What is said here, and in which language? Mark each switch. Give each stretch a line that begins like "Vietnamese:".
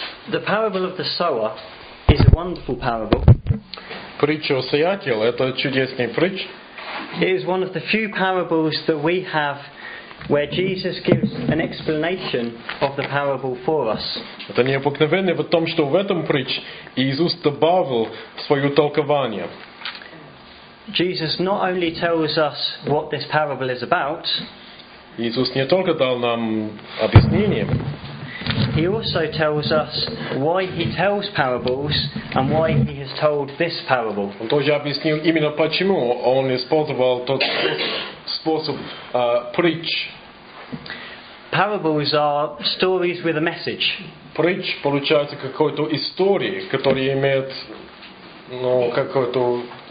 English: The parable of the sower is a wonderful parable.
Russian: Притча о сеятеле — это чудесный притч.
English: It is one of the few parables that we have where Jesus gives an explanation of the parable for us.
Russian: Это необыкновенное в том, что в этом притч Иисус добавил свое толкование.
English: Jesus not only tells us what this parable is about,
Russian: Иисус не только дал нам объяснение,
English: he also tells us why he tells parables and why he has told this parable.
Russian: Он тоже объяснил именно почему он использовал тот способ притч.
English: Parables are stories with a message.
Russian: Притч получается какой-то истории, которая имеет, ну, какой-то